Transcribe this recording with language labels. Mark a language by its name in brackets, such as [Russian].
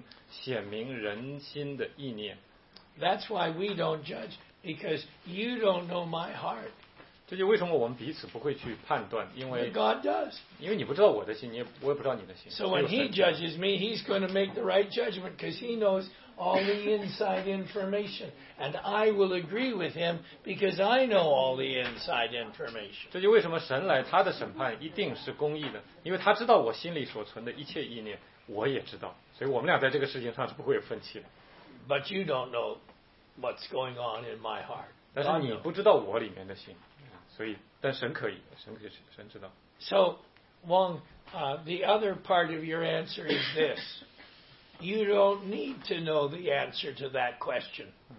[Chinese] 所以哥林多前书四章五节，他这里说，所以时候未到，什么都不要论断，只等主来，他要照出暗中的隐情，显明人心的意念。 [English] That's why we don't judge, because you don't know my heart. [Chinese] 这就为什么我们彼此不会去判断，因为 [English] God does. [Chinese] 因为你不知道我的心，我也不知道你的心。 [English] So when he judges me, he's going to make the right judgment, because he knows all the inside information, and I will agree with him because I know all the inside information. [Chinese] 这就为什么神来，他的审判一定是公义的，因为他知道我心里所存的一切意念，我也知道，所以我们俩在这个事情上是不会有分歧的。 [English] But you don't know what's going on in my heart. [Chinese] 但是你不知道我里面的心，所以但神可以，神可以，神知道。 [English] So Wong, the other part of your answer is this. You don't need to know the answer to that question.